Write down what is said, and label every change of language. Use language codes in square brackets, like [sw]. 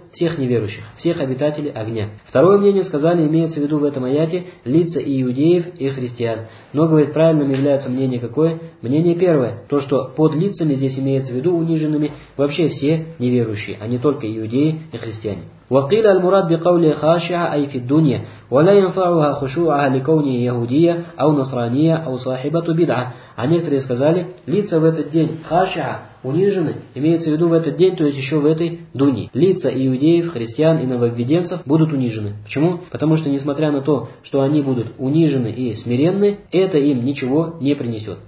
[ru] Всех неверующих, всех обитателей огня. Второе мнение сказали, имеется в виду в этом аяте лица и иудеев, и христиан. Но, говорит, правильным является мнение какое? Мнение первое. То, что под лицами здесь имеется в виду униженными вообще все неверующие, а не только иудеи и христиане. [ar] وقيل المراد بقوله خاشعة أي في الدنيا ولا ينفعها خشوعها لكونه يهودية أو نصرانية أو صاحبة بدعة. [ru] А некоторые сказали, лица в этот день хашиа, унижены, имеется в виду в этот день, то есть еще в этой дуне. Лица иудеев, христиан и нововведенцев будут унижены. Почему? Потому что несмотря на то, что они будут унижены и смиренны, это им ничего не принесет.